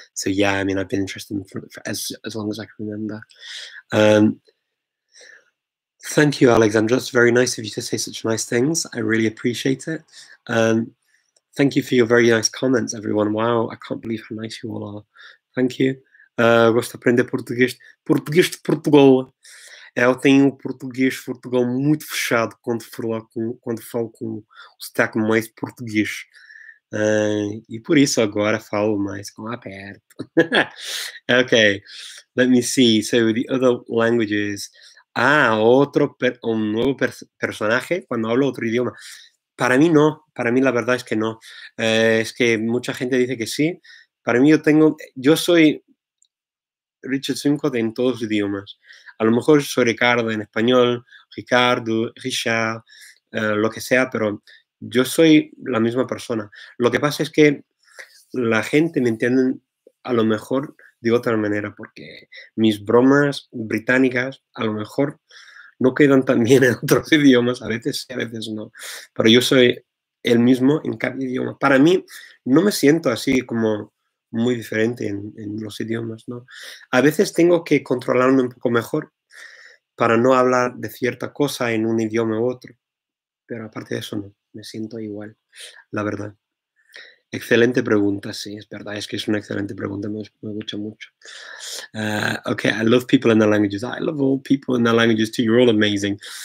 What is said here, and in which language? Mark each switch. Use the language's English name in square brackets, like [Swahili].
[English] So yeah, I mean, I've been interested in them for as long as I can remember. Thank you, Alexandra. It's very nice of you to say such nice things. I really appreciate it. Thank you for your very nice comments, everyone. Wow, I can't believe how nice you all are. Thank you. [Portuguese] Gosto de aprender português. Português de Portugal. Eu tenho o português de Portugal muito fechado quando falo com o sotaque mais português. E por isso agora falo mais com aperto. [English] Okay, let me see. So the other languages. [Spanish] Ah, otro, un nuevo personaje cuando hablo otro idioma. Para mí no, para mí la verdad es que no. Es que mucha gente dice que sí. Para mí yo soy Richard Simcott en todos los idiomas. A lo mejor soy Ricardo en español, Ricardo, Richard, lo que sea, pero yo soy la misma persona. Lo que pasa es que la gente me entiende a lo mejor de otra manera, porque mis bromas británicas a lo mejor no quedan tan bien en otros idiomas, a veces sí, a veces no. Pero yo soy el mismo en cada idioma. Para mí, no me siento así como muy diferente en los idiomas, ¿no? A veces tengo que controlarme un poco mejor para no hablar de cierta cosa en un idioma u otro. Pero aparte de eso, no, me siento igual, la verdad. Excelente pregunta, sí, es verdad, es que es una excelente pregunta, me gusta mucho. [English] Okay, I love people in the languages. I love all people in the languages too, you're all amazing.